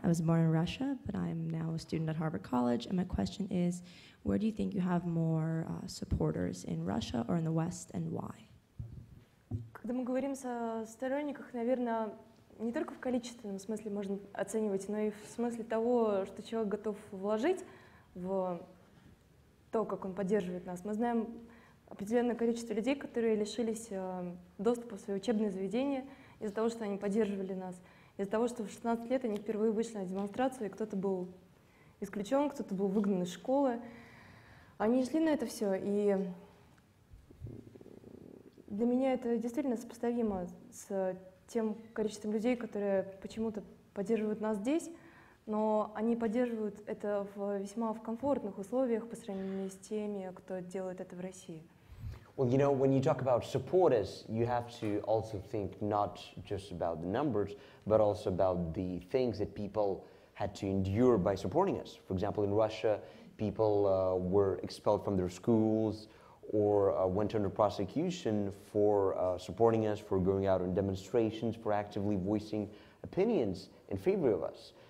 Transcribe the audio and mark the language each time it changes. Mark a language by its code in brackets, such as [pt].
[en] I was born in Russia, but I'm now a student at Harvard College. And my question is, where do you think you have more supporters, in Russia or in the West, and why? [ru] Когда мы говорим о сторонниках, наверное, не только в количественном смысле можно оценивать, но и в смысле того, что человек готов вложить в то, как он поддерживает нас. Мы знаем определенное количество людей, которые лишились доступа в свои учебные заведения из-за того, что они поддерживали нас, из-за того, что в 16 лет они впервые вышли на демонстрацию, и кто-то был исключен, кто-то был выгнан из школы. Они шли на это все, и для меня это действительно сопоставимо с тем количеством людей, которые почему-то поддерживают нас здесь, но они поддерживают это весьма в комфортных условиях по сравнению с теми, кто делает это в России. [en] Well, you know, when you talk about supporters, you have to also think not just about the numbers, but also about the things that people had to endure by supporting us. For example, in Russia, people were expelled from their schools or went under prosecution for supporting us, for going out on demonstrations, for actively voicing opinions in favor of us.